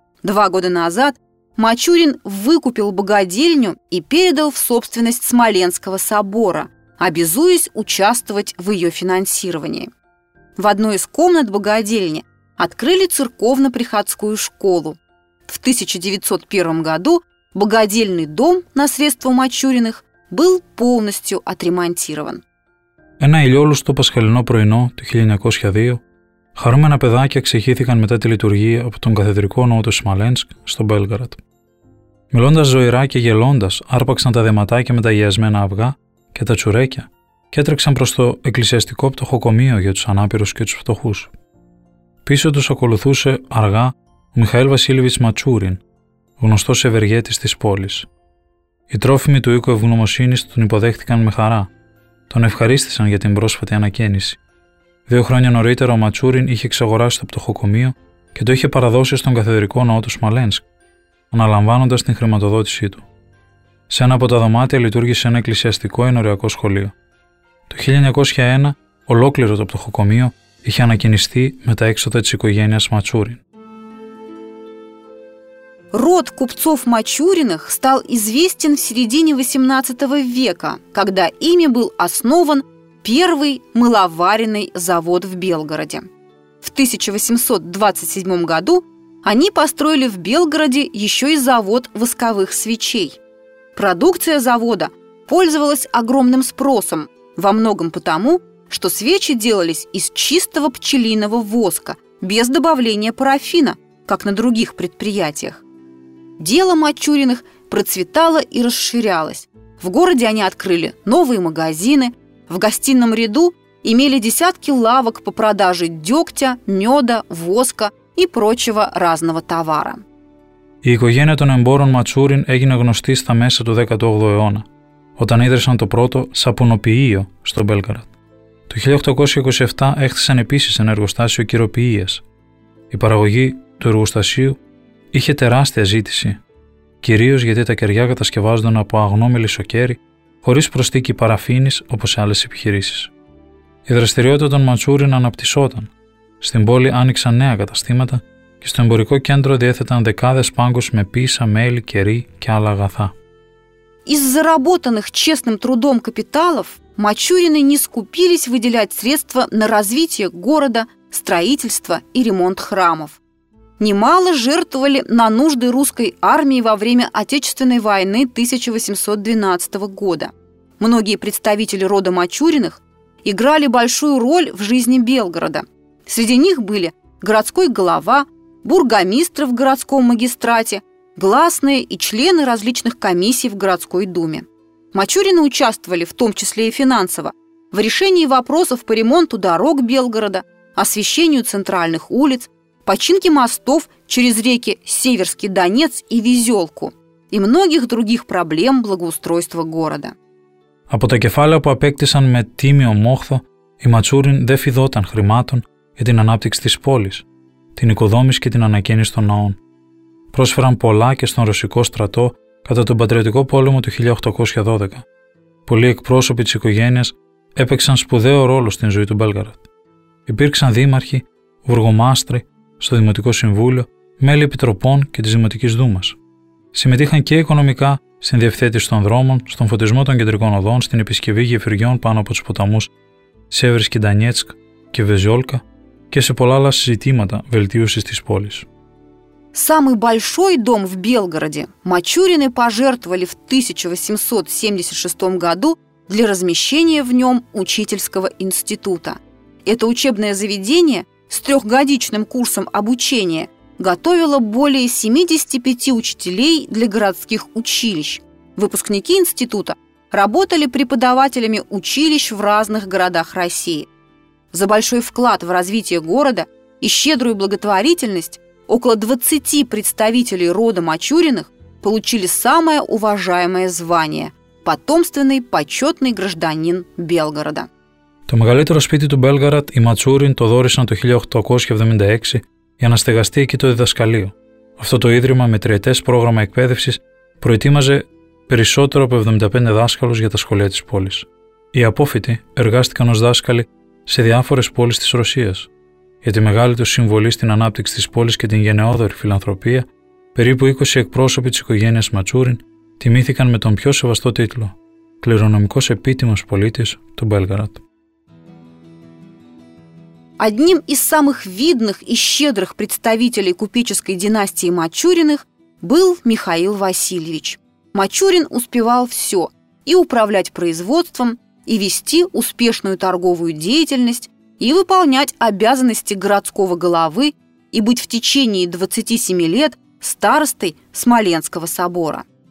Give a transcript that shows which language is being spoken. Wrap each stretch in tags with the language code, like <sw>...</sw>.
<ru>2 года назад Мачурин выкупил богадельню и передал в собственность Смоленского собора, обязуясь участвовать в ее финансировании. В одной из комнат богадельни открыли церковно-приходскую школу. В 1901 году богадельный дом на средства Мачуриных был полностью отремонтирован.</ru> <el>Ένα ηλιόλουστο</el> <ru>пасхальное</ru> <el>πρωινό του 1902 χαρούμενα παιδάκια ξεχύθηκαν μετά τη λειτουργία από τον καθεδρικό ναό του Σμαλένσκ στο Μπέλγαραντ. Μιλώντας ζωηρά και γελώντας, άρπαξαν τα δεματάκια με τα γιασμένα αυγά και τα τσουρέκια και έτρεξαν προς το εκκλησιαστικό πτωχοκομείο για τους ανάπηρους και τους φτωχούς. Πίσω τους ακολουθούσε αργά ο Μιχαήλ Βασίλειβιτς Ματσούριν, γνωστός ευεργέτης της πόλης. Οι τρόφιμοι του οίκου ευγνωμοσύνης τον υποδέχτηκαν με χαρά, τον ευχαρίστησαν για την πρόσφατη ανακαίνιση. 2 χρόνια νωρίτερα ο Ματσούριν είχε εξαγοράσει το πτωχοκομείο και το είχε παραδώσει στον καθεδρικό ναό του Σμαλένσκ, αναλαμβάνοντας την χρηματοδότησή του. Σε ένα από τα δωμάτια λειτουργήσε ένα εκκλησιαστικό ενοριακό σχολείο. Το 1901 ολόκληρο το πτωχοκομείο είχε ανακαινιστεί με τα έξοδα της οικογένειας Ματσούριν.</el> <ru>Род купцов Мачуриных стал известен в середине 18 века, когда ими был основан первый мыловаренный завод в Белгороде. В 1827 году они построили в Белгороде еще и завод восковых свечей. Продукция завода пользовалась огромным спросом, во многом потому, что свечи делались из чистого пчелиного воска, без добавления парафина, как на других предприятиях. Дело Мачуриных процветало и расширялось. В городе они открыли новые магазины, в гостином ряду имели десятки лавок по продаже дегтя, меда, воска и прочего разного товара.</ru> <el>Η οικογένεια των εμπόρων Ματσούριν έγινε γνωστή στα μέσα του 18ου αιώνα. όταν ίδρυσαν το πρώτο σαπουνοποιείο στο Μπέλγραντ. Το 1827 έχτισαν επίσης ένα εργοστάσιο κυροποιίας. Η παραγωγή του εργοστασίου είχε τεράστια ζήτηση, κυρίως γιατί τα κεριά κατασκευάζονταν από αγνό μελισσοκέρι, χωρίς προσθήκη παραφίνης όπως σε άλλες επιχειρήσεις. Η δραστηριότητα των Μαντσούριων αναπτυσσόταν. Στην πόλη άνοιξαν νέα καταστήματα και στο εμπορικό κέντρο διέθεταν δεκάδες πάγκους με πίσα, μέλι, κερί και άλλα αγαθά.</el> <ru>Из заработанных честным трудом капиталов мачурины не скупились выделять средства на развитие города, строительство и ремонт храмов. Немало жертвовали на нужды русской армии во время Отечественной войны 1812 года. Многие представители рода мачуриных играли большую роль в жизни Белгорода. Среди них были городской глава, бургомистры в городском магистрате, гласные и члены различных комиссий в городской думе. Мачурины участвовали, в том числе и финансово, в решении вопросов по ремонту дорог Белгорода, освещению центральных улиц, починке мостов через реки Северский Донец и Везелку и многих других проблем благоустройства города.</ru> <el>Από τα κεφάλαια που απέκτησαν με τίμιο μόχθο, οι Ματσούριν δεν φιδόταν χρημάτων για την ανάπτυξη της πόλης, την οικοδόμηση και την ανακαίνιση των ναών. Πρόσφεραν πολλά και στον Ρωσικό στρατό κατά τον Πατριωτικό Πόλεμο του 1812. Πολλοί εκπρόσωποι της οικογένειας έπαιξαν σπουδαίο ρόλο στην ζωή του Μπέλγαραντ. Υπήρξαν δήμαρχοι, βουργομάστροι, στο Δημοτικό Συμβούλιο, μέλη επιτροπών και της Δημοτικής Δούμας. Συμμετείχαν και οικονομικά στην διευθέτηση των δρόμων, στον φωτισμό των κεντρικών οδών, στην επισκευή γεφυριών πάνω από τους ποταμούς Σεύρισκι Ντανιέτσκ και Βεζιόλκα και σε πολλά άλλα συζητήματα βελτίωσης της πόλης.</el> <ru>Самый большой дом в Белгороде мачурины пожертвовали в 1876 году для размещения в нем учительского института. Это учебное заведение с трехгодичным курсом обучения готовило более 75 учителей для городских училищ. Выпускники института работали преподавателями училищ в разных городах России. За большой вклад в развитие города и щедрую благотворительность около 20 представителей рода Мачуриных получили самое уважаемое звание – потомственный почетный гражданин Белгорода.</ru> <el>Το μεγαλύτερο σπίτι του Μπέλγαραντ οι Ματσούριν το δώρισαν το 1876 για να στεγαστεί εκεί το διδασκαλείο. Αυτό το ίδρυμα με τριετές πρόγραμμα εκπαίδευσης προετοίμαζε περισσότερο από 75 δάσκαλους για τα σχολεία της πόλης. Οι απόφοιτοι εργάστηκαν ως δάσκαλοι σε διάφορες πόλεις της Ρωσίας. Για τη μεγάλη του συμβολή στην ανάπτυξη της πόλης και την γενναιόδορη φιλανθρωπία, περίπου 20 εκπρόσωποι της οικογένειας Ματσούριν τιμήθηκαν με τον πιο σεβαστό τίτλο, κληρονομικός επίτιμος πολίτης του Μπέλγαραντ.</el> <ru>Одним из самых видных и щедрых представителей купеческой династии Мачуриных был Михаил Васильевич. Мачурин успевал все – и управлять производством, и вести успешную торговую деятельность, и выполнять обязанности городского головы и быть в течение 27 лет старостой Смоленского собора.</ru>